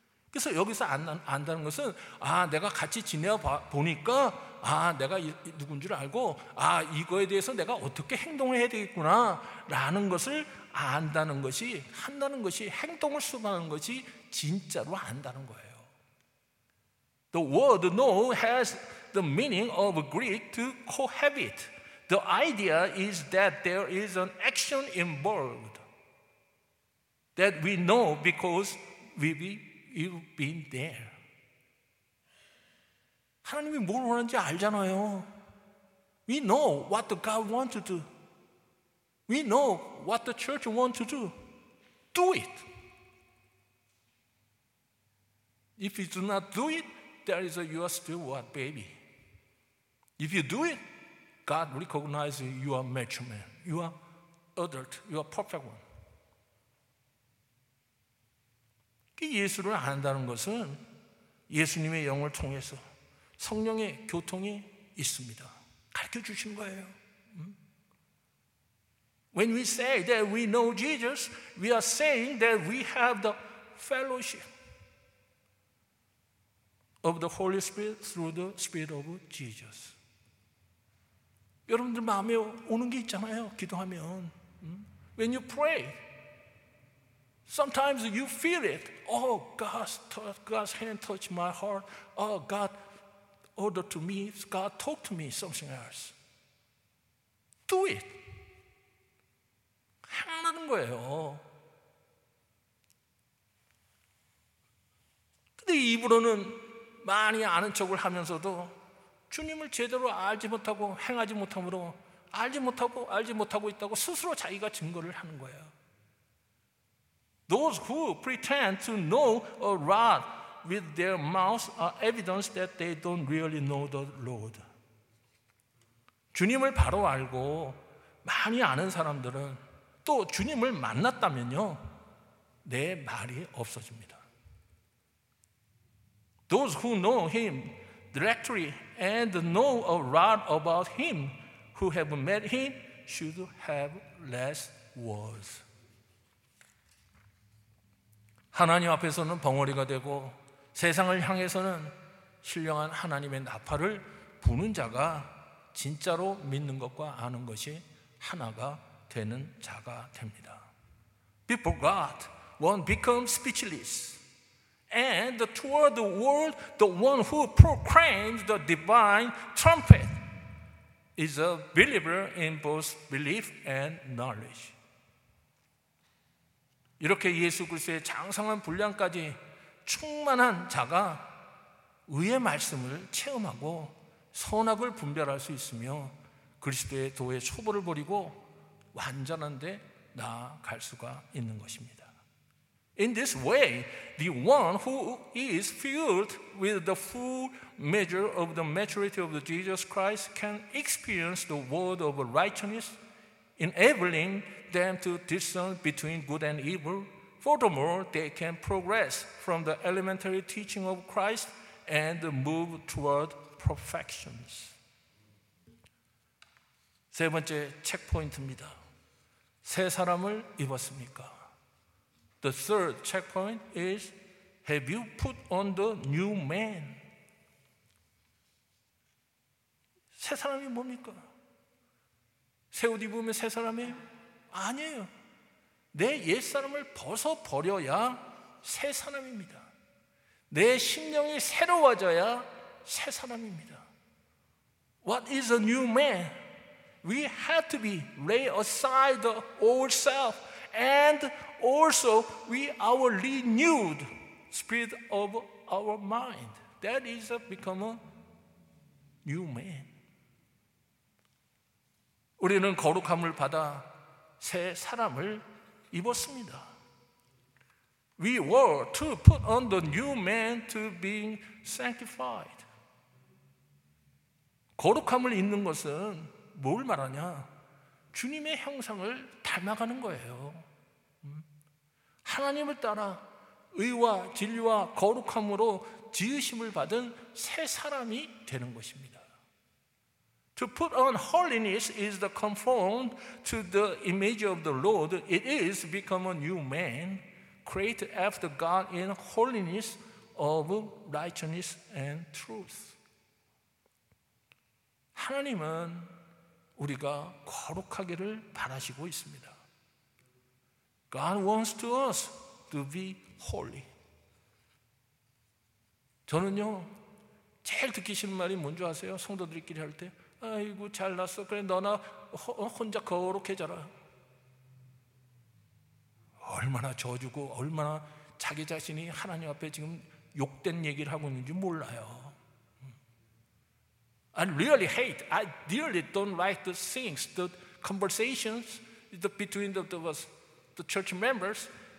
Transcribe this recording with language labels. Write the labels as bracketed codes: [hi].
[ko] 그래서 여기서 안다는 것은 아 내가 같이 지내 보니까 아 내가 누군 줄 알고 아 이거에 대해서 내가 어떻게 행동을 해야 되겠구나라는 것을 안다는 것이 한다는 것이 행동을 수반하는 것이 진짜로 안다는 거예요. [en] The word know has the meaning of Greek to cohabit. The idea is that there is an action involved that we know because you've been there. [ko] 하나님이 뭘 원하는지 알잖아요. [en] We know what God wants to do. We know what the church wants to do. Do it. If you do not do it, there is you are still what, baby? If you do it, God recognizes you are mature man. You are adult. You are perfect one. [ko] 예수를 안다는 것은 예수님의 영을 통해서 성령의 교통이 있습니다. 가르쳐 주시는 거예요. [en] When we say that we know Jesus, we are saying that we have the fellowship of the Holy Spirit through the Spirit of Jesus. [ko] 여러분들 마음에 오는 게 있잖아요. 기도하면 [en] When you pray, sometimes you feel it. Oh, God's hand touched my heart. Oh, God ordered to me. God talked to me. Something else. Do it. [ko] 행하는 거예요. 근데 입으로는 많이 아는 척을 하면서도 주님을 제대로 알지 못하고 행하지 못함으로 알지 못하고 있다고 스스로 자기가 증거를 하는 거예요. [en] Those who pretend to know a rod with their mouth are evidence that they don't really know the Lord. [ko] 주님을 바로 알고 많이 아는 사람들은 또 주님을 만났다면요, 내 말이 없어집니다. [en] Those who know him directly and know a lot about him who have met him should have less words. [ko] 하나님 앞에서는 벙어리가 되고 세상을 향해서는 신령한 하나님의 나팔을 부는 자가 진짜로 믿는 것과 아는 것이 하나가 되는 자가 됩니다. [en] Before God, one becomes speechless. And toward the world, the one who proclaims the divine trumpet is a believer in both belief and knowledge. [ko] 이렇게 예수 그리스도의 장성한 분량까지 충만한 자가 의의 말씀을 체험하고 선악을 분별할 수 있으며 그리스도의 도의 초보를 버리고 완전한 데 나아갈 수가 있는 것입니다. [en] In this way, the one who is filled with the full measure of the maturity of Jesus Christ can experience the word of righteousness, enabling them to discern between good and evil. Furthermore, they can progress from the elementary teaching of Christ and move toward perfections. [ko] 세 번째 체크포인트입니다. 새 사람을 입었습니까? [en] The third checkpoint is, have you put on the new man? [ko] 새 사람이 뭡니까? 새 옷 입으면 새 사람이에요? 아니에요. 내 옛사람을 벗어버려야 새 사람입니다. 내 심령이 새로워져야 새 사람입니다. [en] What is a new man? We have to be lay aside the old self and also we are renewed spirit of our mind. That is a become a new man. [ko] 우리는 거룩함을 받아 새 사람을 입었습니다. [en] We were to put on the new man to being sanctified. [ko] 거룩함을 입는 것은 뭘 말하냐? 주님의 형상을 닮아가는 거예요. 하나님을 따라 의와 진리와 거룩함으로 지으심을 받은 새 사람이 되는 것입니다. [en] To put on holiness is to conform to the image of the Lord. It is become a new man, created after God in holiness of righteousness and truth. [ko] 하나님은 우리가 거룩하기를 바라시고 있습니다. [en] God wants to us to be holy. [ko] 저는요, 제일 듣기 싫은 말이 뭔지 아세요? 성도들끼리 할 때. 아이고 잘났어. 그래 너나 혼자 거룩해져라. 얼마나 저주고 얼마나 자기 자신이 하나님 앞에 지금 욕된 얘기를 하고 있는지 몰라요. [en] I really don't like the things, the conversations between the church members.